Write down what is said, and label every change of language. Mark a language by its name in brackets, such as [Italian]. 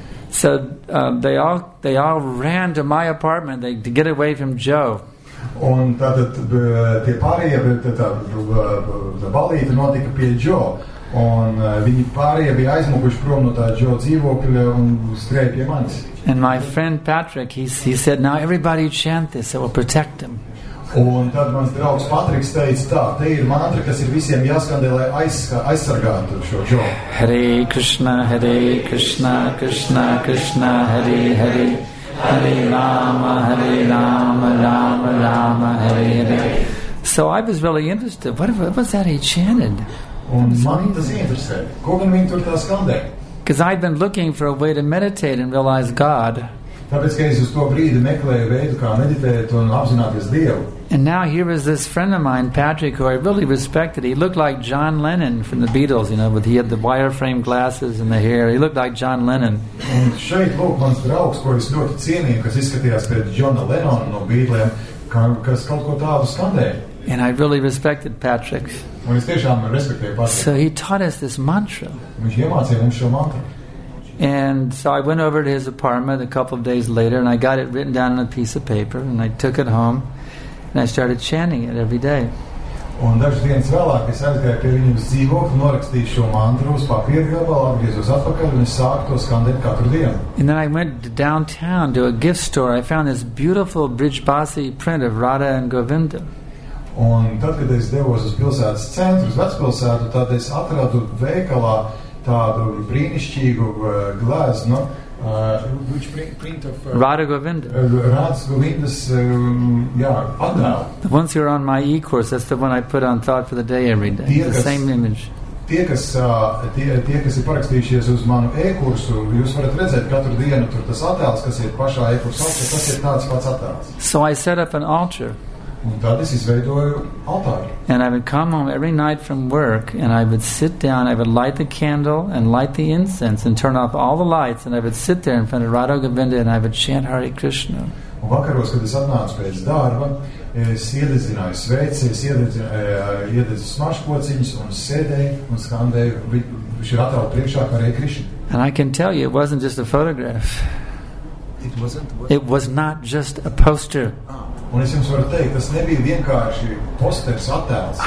[English] So they all ran to my apartment to get away from Joe. [Latvian] Un tātad tie pārējie, tā balīte notika pie Joe. Un viņi pārējie bija aizmukuši prom no tā Džo dzīvokļa un skrēja pie manis. [English] And my friend Patrick, he said, now everybody chant this, it will protect him. [Latvian] Un tad mans draugs Patriks teica, tā, te ir mantra, kas ir visiem jāskandē, lai aizsargātu šo Džo. [Sanskrit] Hare Krishna, Hare Krishna, Krishna Krishna, Hare Hare, Hare Rama, Hare Rama, Rama Rama, Hare Hare. [English] So I was really interested, what was that he chanted? [Latvian] Un man tas interesē. Ko gan viņi tur tā skandē? [English] Because I've been looking for a way to meditate and realize God. [Latvian] Tāpēc, ka es uz to brīdi meklēju veidu, kā meditēt un apzināties Dievu. [English] And now here is this friend of mine, Patrick, who I really respected. He looked like John Lennon from the Beatles, you know, but he had the wireframe glasses and the hair. He looked like John Lennon. [Latvian] Un šeit lūk mans draugs, ko es ļoti cienīju, kas izskatījās pēc Johna Lennon no Beatlesiem, kas kaut ko tādu skandē. [English] And I really respected Patrick. [Latvian] Un es tiešām respektēju Patrick. [English] So he taught us this mantra. [Latvian] Viņš iemācīja mums šo mantra. [English] And so I went over to his apartment a couple of days later and I got it written down on a piece of paper and I took it home and I started chanting it every day. [Latvian] Un dažas dienas vēlāk es aizgāju pie viņa uz dzīvokli, norakstīju šo mantru uz papīra gabalu, atgriezos atpakaļ un es sāku to skandēt katru dienu. [English] And then I went downtown to a gift store. I found this beautiful Brijbasi print of Radha and Govinda. [Latvian] Un tad, kad es devos uz pilsētas centru, uz vecpilsētu, tad es atradu veikalā tādu brīnišķīgu gleznu. [English] Which print of... Radha Govinda. [Latvian] Radha Govindas, jā, atdāvu. [English] The ones who are on my e-course, that's the one I put on Thought for the Day every day. [Latvian] Tie, [English] the same image. [Latvian] Tie, kas ir parakstījušies uz manu e-kursu, jūs varat redzēt katru dienu tur tas attēls, kas ir pašā e-kursā, tas ir tāds pats attēls. [English] So I set up an altar. [Latvian] Un tad es izveidoju altāru. [English] And I would come home every night from work and I would sit down, I would light the candle and light the incense and turn off all the lights and I would sit there in front of Radha Govinda and I would chant Hare Krishna. [Latvian] Un vakaros, kad es atnācu pēc darba, es iedzināju sveici, es iedzināju smaržpociņus un sēdēju un skandēju šī atrāda priekšā Hare Krishna. [English] And I can tell you, it wasn't just a photograph. It was not just a poster. [Latvian] Un es jums varu teikt, tas nebija vienkārši posters attēls.